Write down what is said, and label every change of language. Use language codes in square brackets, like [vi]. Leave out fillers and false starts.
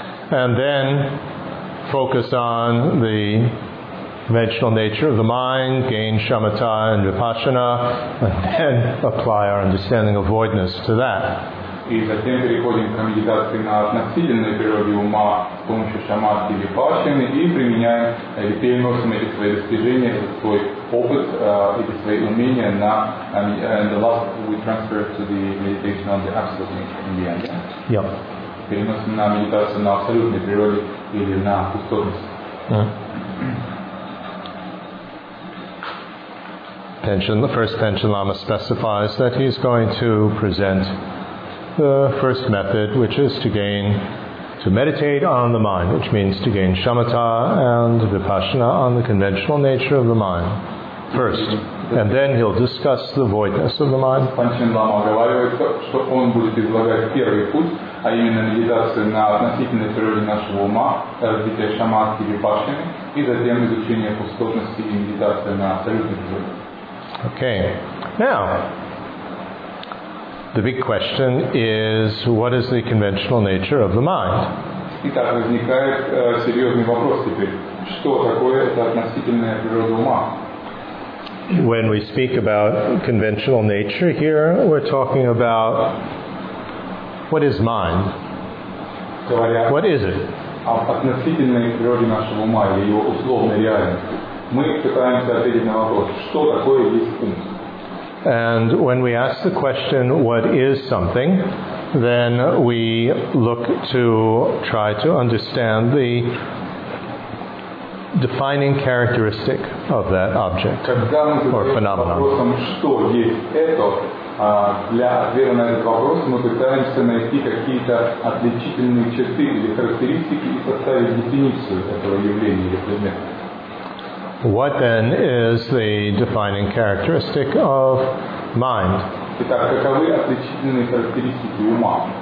[en] And then focus on the conventional nature of the mind, gain shamatha and vipassana, and then apply our understanding of voidness to that. [ru] И затем переходим к медитации на относительной природе ума с помощью шамадхи и випассаны и применяем или переносим эти свои достижения, свой опыт, эти свои умения на [en] and the last we transfer to the meditation on the absolute in the end. Yep. [ru] Переносим на медитацию на абсолютной природе или на пустотность. [en] The first Panchen Lama specifies that he's going to present the first method, which is to meditate on the mind, which means to gain shamatha and vipassana on the conventional nature of the mind. first, and then he'll discuss the voidness of the mind. Okay, now, the big question is, what is the conventional nature of the mind? [ru] Итак, возникает серьезный вопрос теперь. Что такое эта относительная природа ума? [en] When we speak about conventional nature here, we're talking about what is mind? [ru] Говоря, [en] what is it? [ru] О относительной природе нашего ума или его условной реальности. Мы пытаемся ответить на вопрос, что такое есть ум? [en] And when we ask the question, what is something, then we look to try to understand the defining characteristic of that object or phenomenon. [ru] Вопросом, что есть это, для ответа на этот вопрос мы пытаемся найти какие-то отличительные черты или характеристики и составить дефиницию этого явления или предмета. [en] What then is the defining characteristic of mind? [ru] Итак, каковы отличительные характеристики ума?